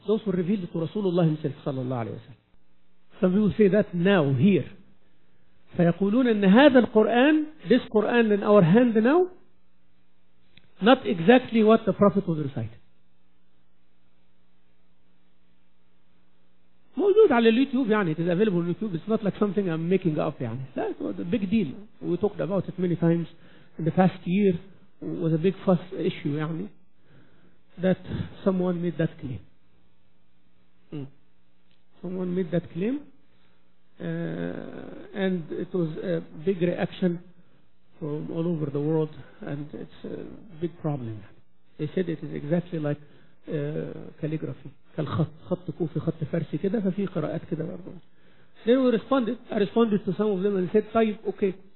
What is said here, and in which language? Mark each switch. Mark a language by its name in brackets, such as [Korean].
[English] Those were revealed to رسول الله himself [Arabic] صلى الله عليه وسلم. [English] Some people say that now here. [Arabic] فيقولون أن هذا القرآن [English] this Quran in our hand now not exactly what the prophet was reciting. [Arabic] موجود على اليوتيوب يعني [English] it is available on YouTube. It's not like something I'm making up يعني. That was a big deal. We talked about it many times in the past year. It was a big fuss issue يعني that someone made that claim. Someone made that claim. And it was a big reaction from all over the world, and it's a big problem. They said it is exactly like calligraphy. [Arabic] كالخط كوفي خط فارسي كده، ففي قراءات كده برضو. [English] Then we responded. I responded to some of them and said, طيب, okay.